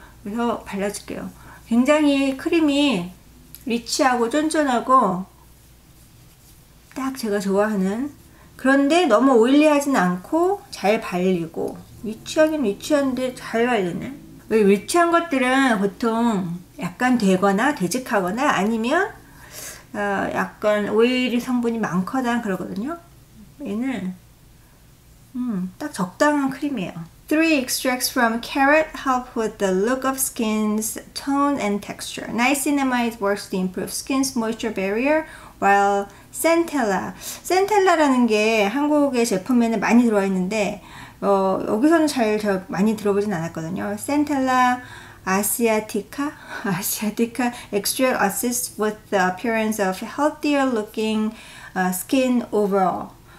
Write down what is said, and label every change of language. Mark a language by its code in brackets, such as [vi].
[ko] 그래서 발라줄게요. 굉장히 크림이 리치하고 쫀쫀하고 딱 제가 좋아하는, 그런데 너무 오일리하진 않고 잘 발리고, 리치하긴 리치한데 잘 발리네. 리치한 것들은 보통 약간 되거나 되직하거나 아니면 약간 오일 성분이 많거나 그러거든요. 얘는 딱 적당한 크림이에요. [en] 3 extracts from carrot help with the look of skin's tone and texture. Niacinamide works to improve skin's moisture barrier, while centella. [ko] Centella라는 게 한국의 제품에는 많이 들어와 있는데, 여기서는 잘 많이 들어보진 않았거든요. [en] Centella asiatica? Asiatica extract assists with the appearance of healthier looking skin overall.